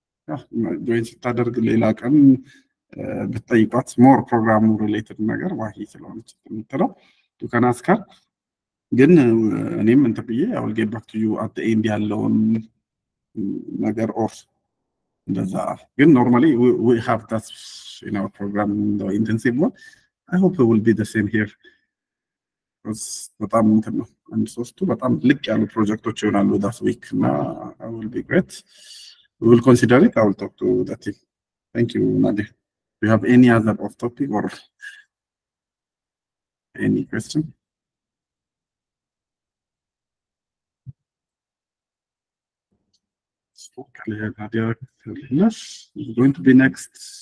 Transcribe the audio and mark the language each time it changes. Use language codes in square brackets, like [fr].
[am] ያ ታደርግ ሌላ ቀን በጠይቃት [en] more program related [am] ነገር Mahi ስለሆነች እንትለው [en] you can ask her [am] ግን እኔም እንትብዬ [en] I will get back to you at the end [am] ያለውን ነገር [en] of [am] እንደዛ ግን [en] normally we have that in our program the intensive one I hope it will be the same here. [am] በጣም እንትን ነው አንድ ሶስቱ በጣም ልቅ ያሉ ፕሮጀክቶች ይሆናሉ [en] that week and I will be great. We will consider it. I will talk to the team. Thank you, Nadia. Do you have any other off topic or any question? Okay, Nadia, it's going to be next.